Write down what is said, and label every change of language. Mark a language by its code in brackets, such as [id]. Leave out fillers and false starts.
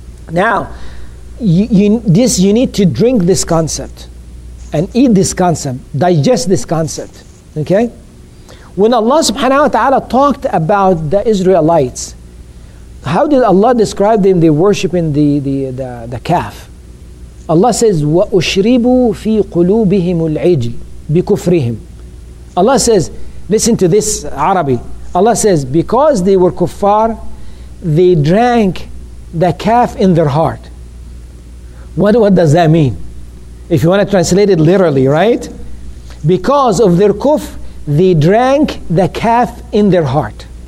[en] Now, you need to drink this concept and eat this concept, digest this concept. Okay? When Allah subhanahu wa ta'ala talked about the Israelites, how did Allah describe them? They worshiping the calf. [ar] Allah says, وَأُشْرِبُوا فِي قُلُوبِهِمُ الْعِجْلِ بِكُفْرِهِمْ. Allah says, [en] Listen to this Arabic. Allah says, because they were kuffar, they drank the calf in their heart. What does that mean? If you want to translate it literally, right? Because of their kuf, they drank the calf in their heart.